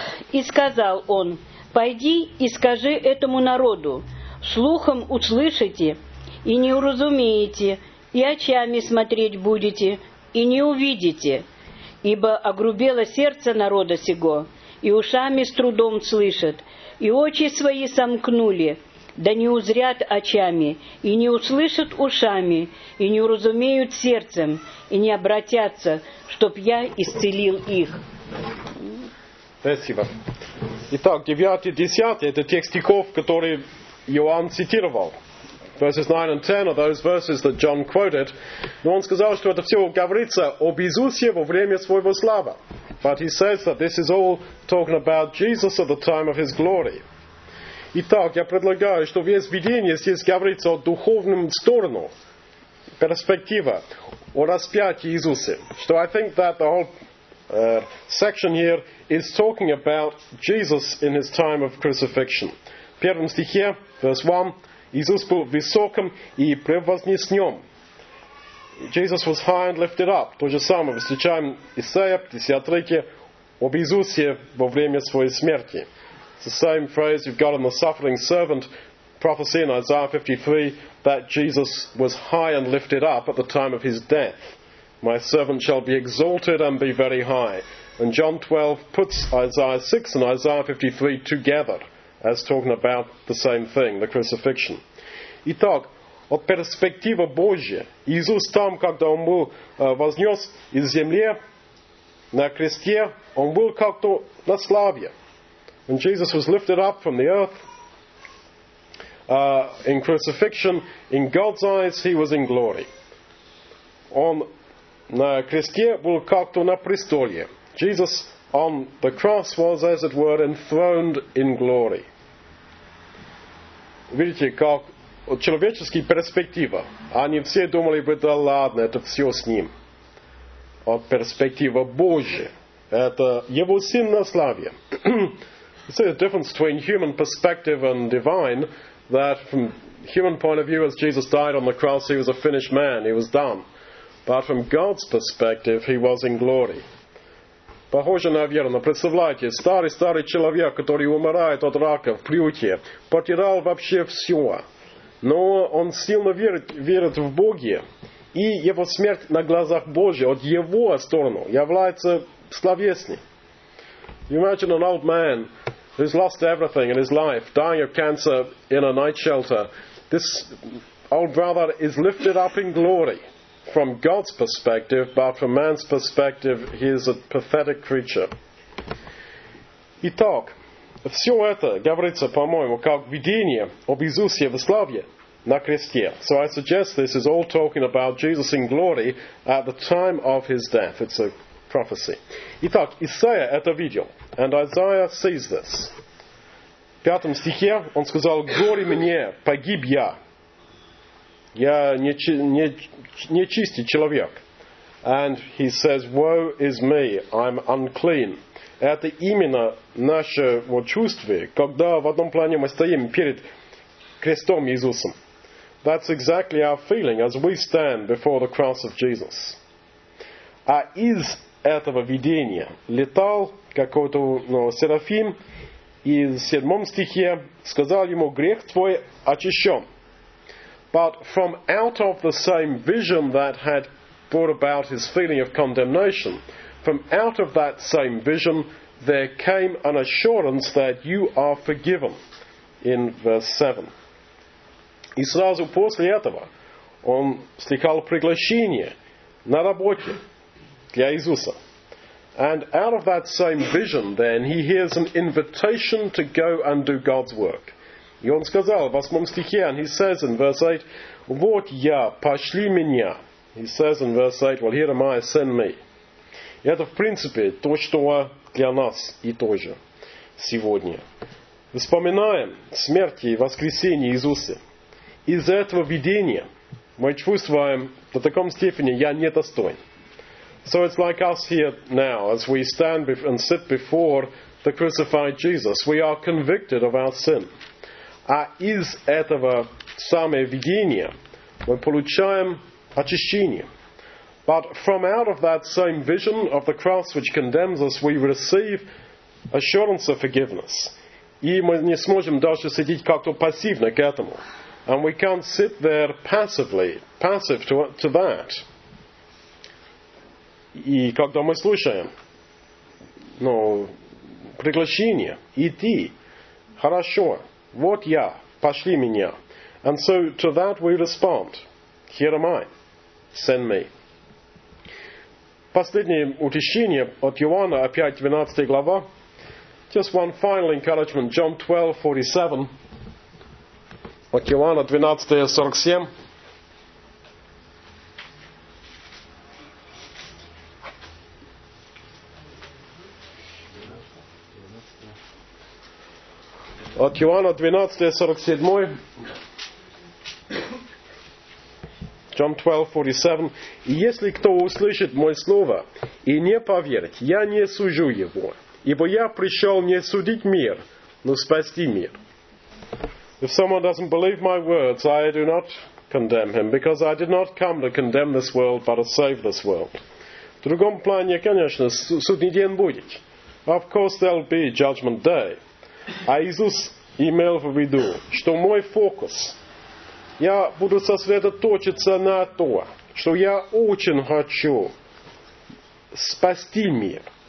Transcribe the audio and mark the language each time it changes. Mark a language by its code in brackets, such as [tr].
[ru] И сказал он, пойди и скажи этому народу, слухом услышите и не уразумеете, и очами смотреть будете, и не увидите, ибо огрубело сердце народа сего, и ушами с трудом слышат, и очи свои сомкнули, да не узрят очами, и не услышат ушами, и не уразумеют сердцем, и не обратятся, чтоб я исцелил их. Спасибо. Итак, 9-10 – это тех стихов, которые Иоанн цитировал. [en] Verses 9 and 10 are those verses that John quoted. [ru] Но он сказал, что это все говорится об Иисусе во время своего славы. [en] But he says that this is all talking about Jesus at the time of his glory. [ru] Итак, я предлагаю, что весь видение здесь говорится о духовном сторону, перспектива, о распятии Иисуса. [en] So I think that the whole section here is talking about Jesus in his time of crucifixion. [ru] В первом стихе, [en] verse 1, [ru] Иисус был высоким и превознеснем. [en] Jesus was high and lifted up. [ru] То же самое встречаем Исаия, 53, об Иисусе во время своей смерти. [en] It's the same phrase you've got in the suffering servant prophecy in Isaiah 53 that Jesus was high and lifted up at the time of his death. My servant shall be exalted and be very high. And John 12 puts Isaiah 6 and Isaiah 53 together as talking about the same thing, the crucifixion. [ru] Итак, от перспективы Божьей, Иисус там, когда он был вознес из земли на кресте, он был как-то на славе. [en] When Jesus was lifted up from the earth in crucifixion, in God's eyes, he was in glory. [ru] Он на кресте был как-то на престоле. [en] Jesus on the cross was, as it were, enthroned in glory. [ru] Видите, как человеческая перспектива. Они все думали бы, да ладно, это все с ним. А перспектива Божья. Это его сын на славе. [en] See the difference between human perspective and divine, that from human point of view, as Jesus died on the cross, he was a finished man, he was done. But from God's perspective, he was in glory. [ru] Похоже на верно. Представляете, старый-старый человек, который умирает от рака в приюте, потерял вообще все. Но он сильно верит в Бога, и его смерть на глазах Божьих, от его стороны, является словесной. [en] You imagine an old man who's lost everything in his life, dying of cancer in a night shelter. This old brother is lifted up in glory from God's perspective, but from man's perspective, he is a pathetic creature. [ru] Итак, все это говорится, по-моему, как видение об Иисусе в славе на кресте. [en] So I suggest this is all talking about Jesus in glory at the time of his death. It's a prophecy. [ru] Итак, Исаия это видел. [en] And Isaiah sees this. [ru] В пятом стихе он сказал, «Горе мне, погиб я! Я нечистый человек». [en] And he says, «Woe is me, I'm unclean». [ru] Это именно наше вот чувство, когда в одном плане мы стоим перед крестом Иисусом. [en] That's exactly our feeling as we stand before the cross of Jesus. [ru] А из этого видения летал какой-то серафим, и в седьмом стихе сказал ему, грех твой очищен. [en] But from out of the same vision that had brought about his feeling of condemnation, from out of that same vision there came an assurance that you are forgiven. In verse 7. [ru] И сразу после этого он слыхал приглашение на работе для Иисуса. [en] And out of that same vision, then, he hears an invitation to go and do God's work. [ru] И он сказал, в восьмом стихе, [en] and he says in verse 8, [ru] «Вот я, пошли меня». [en] He says in verse 8, «Well, here am I, send me». [ru] И это, в принципе, то, что для нас и тоже сегодня. Вспоминаем смерти и воскресение Иисуса. Из этого видения мы чувствуем, до такой степени я недостоин. [en] So it's like us here now, as we stand and sit before the crucified Jesus. We are convicted of our sin. [ru] А из этого самое видение мы получаем очищение. [en] But from out of that same vision of the cross which condemns us, we receive assurance of forgiveness. [ru] И мы не сможем даже сидеть как-то пассивно к этому. [en] And we can't sit there passive to that. [ru] И когда мы слушаем, приглашение, идти, хорошо, вот я, пошли меня. [en] And so to that we respond, here am I, send me. [ru] Последнее утешение от Иоанна, опять 12 глава. [en] Just one final encouragement, John 12:47. [ru] От Иоанна 12:47. От Иоанна 12:47. [en] John 12:47. [ru] Если кто услышит мое слово и не поверит, я не сужу его, ибо я пришел не судить мир, но спасти мир. [en] If someone doesn't believe my words, I do not condemn him, because I did not come to condemn this world, but to save this world. [ru] В другом плане, конечно, судный день будет. [en] Of course, there'll be judgment day. [ru] А Иисус имел в виду, что мой фокус, я буду сосредоточиться на то, что я очень хочу спасти мир.